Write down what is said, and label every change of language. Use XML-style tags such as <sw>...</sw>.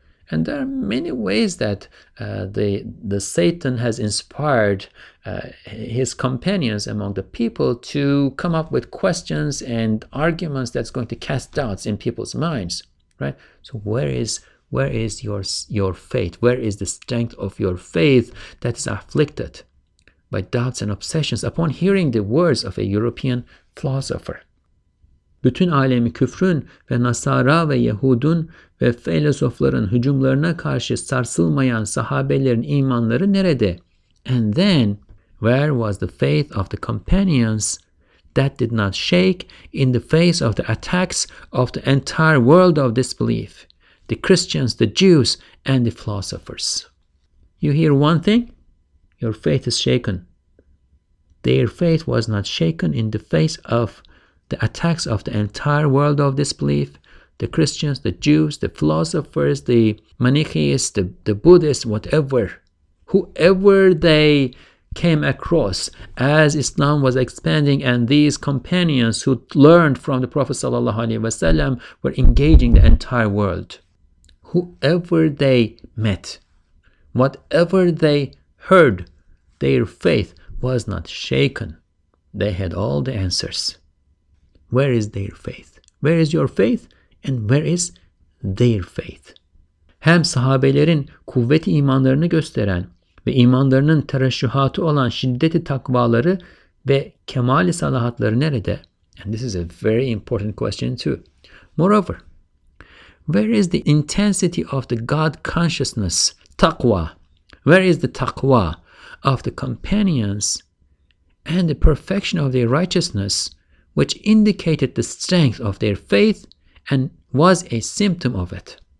<en>And there are many ways that the Satan has inspired his companions among the people to come up with questions and arguments that's going to cast doubts in people's minds, right? So where is your faith? Where is the strength of your faith that is afflicted by doubts and obsessions upon hearing the words of a European philosopher?</en> <tr>Bütün alemi küfrün ve Nasara ve Yahud'un ve filozofların hücumlarına karşı sarsılmayan sahabelerin imanları nerede?</tr> <en>And then, where was the faith of the companions that did not shake in the face of the attacks of the entire world of disbelief? The Christians, the Jews, and the philosophers. You hear one thing? Your faith is shaken. Their faith was not shaken in the face of the attacks of the entire world of disbelief. The Christians, the Jews, the philosophers, the Manichaeists, the Buddhists, whatever. Whoever they came across as Islam was expanding and these companions who learned from the Prophet</en> <ar>Sallallahu Alaihi Wasallam</ar> <en>were engaging the entire world. Whoever they met, whatever they heard, their faith was not shaken. They had all the answers. Where is their faith? Where is your faith? And where is their faith?</en> <tr>Hem sahabelerin kuvveti imanlarını gösteren ve imanlarının tereşşühatı olan şiddeti takvaları ve kemali salahatları nerede?</tr> <en>And this is a very important question too. Moreover, where is the intensity of the God consciousness, taqwa? Where is the taqwa of the companions and the perfection of their righteousness, which indicated the strength of their faith and was a symptom of it?</en>